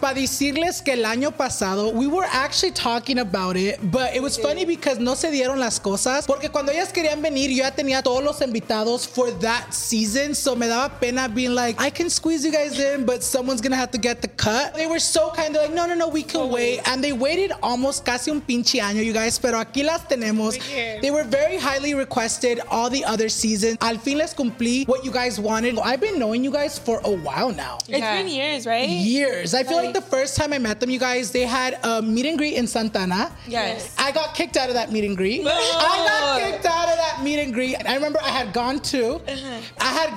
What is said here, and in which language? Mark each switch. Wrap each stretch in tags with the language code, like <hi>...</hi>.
<es>Para decirles que el año pasado,</es> <en>we were actually talking about it, but it was funny because</en> <es>no se dieron las cosas porque cuando ellas querían venir, yo ya tenía todos los invitados</es> <en>for that season,</en> <es>so me daba pena</es> <en>being like, I can squeeze you guys in, but someone's gonna have to get the cut. They were so kind. They're like, no, we can wait. And they waited almost</en> <es>casi un pinche año,</es> <en>you guys,</en> <es>pero aquí las tenemos.</es> <en>They were very highly requested all the other seasons.</en> <es>Al fin les cumplí</es> <en>what you guys wanted. I've been knowing you guys for a while now. Yeah. It's been years, right? Years. I feel like the first time I met them, you guys, they had a meet and greet in Santana. Yes. I got kicked out of that meet and greet. I got kicked out of that meet and greet. I remember I had gone to, uh-huh. I had</en>